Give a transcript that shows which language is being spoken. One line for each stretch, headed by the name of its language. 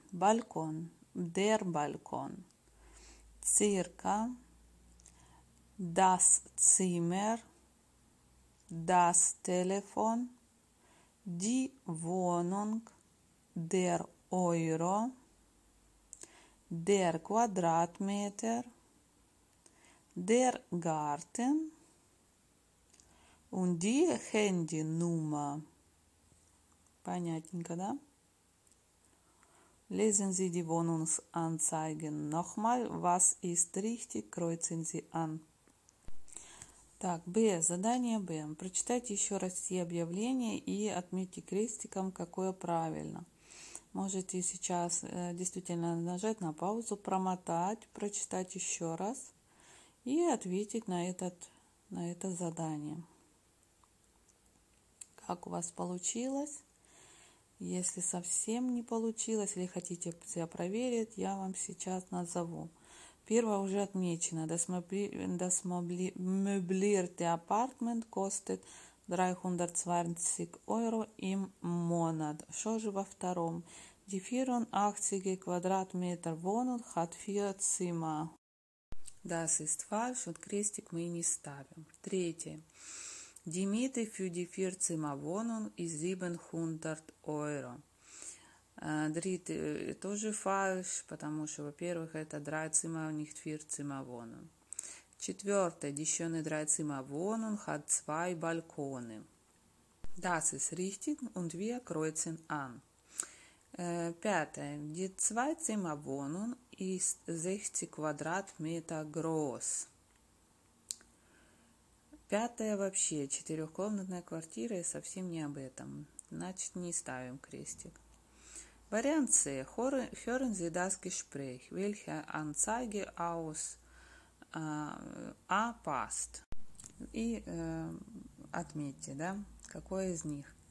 German: Балкон, дер балкон, цирка, дас цимер, дас телефон, ди вонунг, дер ойро, der Quadratmeter, der Garten und die Handynummer.
Russian: Понятненько, да?
German: Lesen Sie die Wohnungsanzeigen nochmal. Was ist richtig? Kreuzen Sie an.
Russian: Так, Б, задание Б. Прочитайте еще раз все объявления и отметьте крестиком, какое правильно. Можете сейчас действительно нажать на паузу, промотать, прочитать еще раз и ответить на это задание. Как у вас получилось? Если совсем не получилось или хотите себя проверить, я вам сейчас назову. Первое уже отмечено.
German: Das möblierte Apartment kostet 320 Euro im Monat.
Russian: Что же во втором?
German: Die 84 Quadratmeter Wohnung hat 4 Zimmer. Das ist falsch.
Russian: Вот крестик мы и не ставим. Третье.
German: Die Miete für die 4 Zimmer Wohnung ist 700 Euro. Dritte,
Russian: тоже фальш, потому что, во-первых, это
German: drei Zimmer, nicht vier Zimmer wohnen.
Russian: Четвертое,
German: die schöne drei Zimmer wohnen hat zwei Balkone. Das ist richtig und wir kreuzen an.
Russian: Пятое,
German: die zwei Zimmer wohnen ist 60 Quadratmeter groß.
Russian: Пятое вообще, четырехкомнатная квартира и совсем не об этом. Значит, не ставим крестик. Вариант С.
German: Hören Sie das Gespräch. Welche Anzeige aus A passt?
Russian: И отметьте, да, какое из них.